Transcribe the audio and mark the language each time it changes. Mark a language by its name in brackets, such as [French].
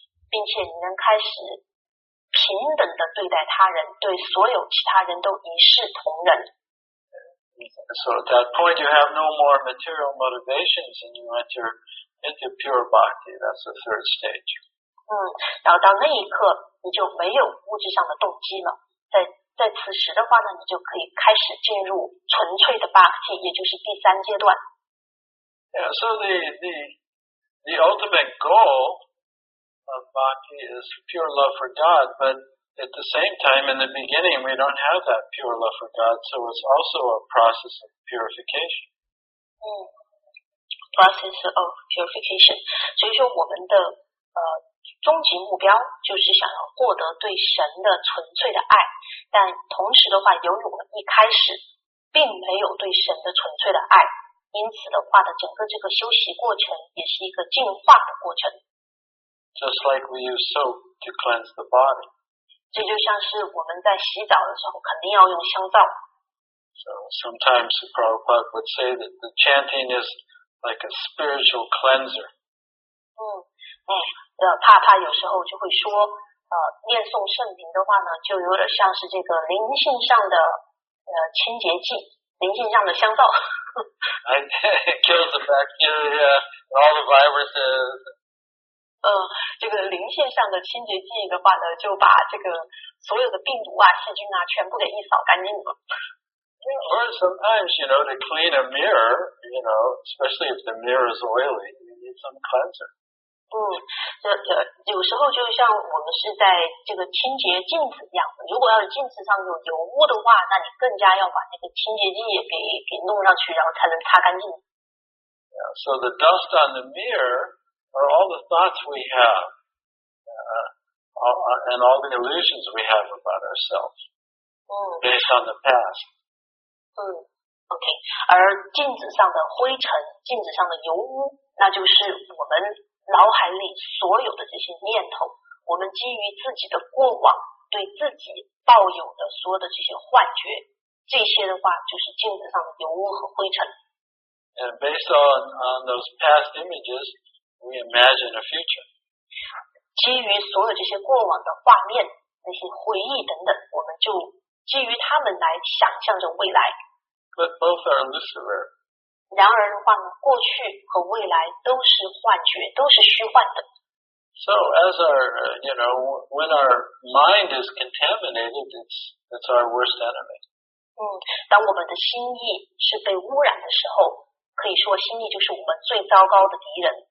[Chinese] 并且你能开始平等的对待他人，对所有其他人都一视同仁。 [English] So at that point you have no more material motivations and you enter into pure bhakti. That's the third stage. [Chinese] 然后到那一刻你就没有物质上的动机了。在此时的话呢，你就可以开始进入纯粹的 bhakti， 也就是第三阶段。 [English] Yeah, so the ultimate goal of bhakti is pure love for God, but at the same time, in the beginning, we don't have that pure love for God, so it's also a process of purification. Process of purification. [Chinese] 所以说我们的终极目标就是想要获得对神的纯粹的爱，但同时的话，由于我们一开始并没有对神的纯粹的爱，因此的话的整个这个修习过程也是一个进化的过程。 [English] Just like we use soap to cleanse the body. [Chinese] 这就像是我们在洗澡的时候肯定要用香皂。 [English] So sometimes Prabhupada would say that the chanting is like a spiritual cleanser. [Chinese] 帕有时候就会说念诵圣名的话呢，就有点像是这个灵性上的清洁剂，灵性上的香皂。 [English] Kills the bacteria, all the viruses. [Chinese] 这个灵性上的清洁剂的话呢，就把这个所有的病毒啊、细菌啊，全部给一扫干净了。 [English] Yeah, or sometimes, you know, to clean a mirror, you know, especially if the mirror is oily, you need some cleanser. [Chinese] 有时候就像我们是在这个清洁镜子一样，如果要是镜子上有油污的话，那你更加要把那个清洁剂给弄上去，然后才能擦干净。 [English] Yeah, so the dust on the mirror are all the thoughts we have, and all the illusions we have about ourselves, based on the past. [Chinese] OK, 而镜子上的灰尘，镜子上的油污，那就是我们脑海里所有的这些念头，我们基于自己的过往对自己抱有的所有的这些幻觉，这些的话就是镜子上的油污和灰尘。 [English] And based on those past images, we imagine a future. [Chinese] 基于所有这些过往的画面、那些回忆等等，我们就基于他们来想象着未来。 [English] But both are illusory. [Chinese] 然而的话呢，过去和未来都是幻觉，都是虚幻的。 [English] So as our, you know, when our mind is contaminated, it's our worst enemy. [Chinese] 当我们的心意是被污染的时候，可以说心意就是我们最糟糕的敌人。